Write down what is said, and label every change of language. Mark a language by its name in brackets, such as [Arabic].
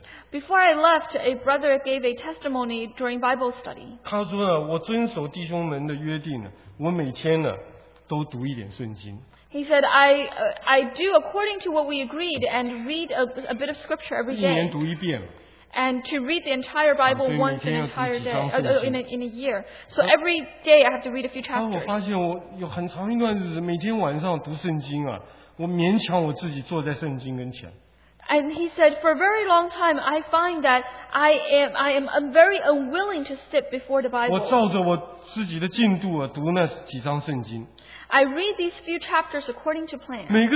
[English] Before I left, a brother gave a testimony during Bible study. [Chinese] 他说呢,我遵守弟兄们的约定,我每天呢,都读一点圣经。 [English] He said, I do according to what we agreed and read a bit of scripture every day. [Chinese] 一年读一遍, [English] and to read the entire Bible 啊, once an entire day, in a year. So every day I have to read a few chapters. [Chinese] 我发现我有很长一段日子,每天晚上读圣经啊,我勉强我自己坐在圣经跟前。 [English] And he said, for a very long time, I find that I'm very unwilling to sit before the Bible. [Chinese] 我照着我自己的进度啊,读那几章圣经。 [English] I read these few chapters according to plan.